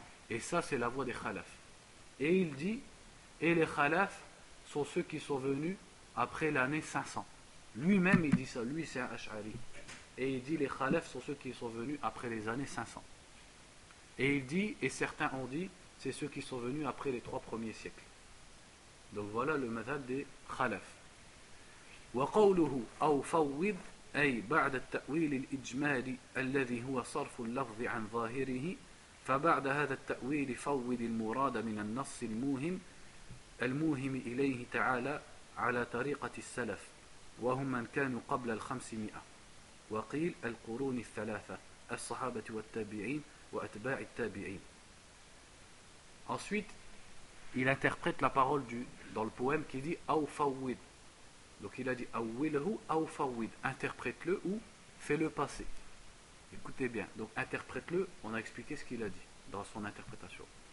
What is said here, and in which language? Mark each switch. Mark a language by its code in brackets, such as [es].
[fr] Et ça c'est la voie des khalafs. Et il dit, et les khalafs sont ceux qui sont venus après l'année 500. Lui-même il dit ça, lui c'est un Ash'ari. Et il dit les khalafs sont ceux qui sont venus après les années 500. Et il dit, et certains ont dit, c'est ceux qui sont venus après les trois premiers siècles. Donc voilà le madhab des khalafs. [ar] وَقَوْلُهُ أَوْ فَوِّضْ أي بعد التأويل الإجمالي الذي هو صرف اللفظ عن ظاهره فبعد هذا التأويل فوض المراد من النص الموهم إليه تعالى على طريقة السلف وهم من كانوا قبل الخمسمائة وقيل القرون الثلاثة الصحابة والتابعين وأتباع التابعين. [fr] Ensuite, il interprète la parole dans le poème qui dit [ar] أو فوض. [fr] Donc il a dit [ar] awwilhu aw fawwid, [fr] interprète-le ou fais-le passer. Écoutez bien, donc interprète-le, on a expliqué ce qu'il a dit dans son interprétation.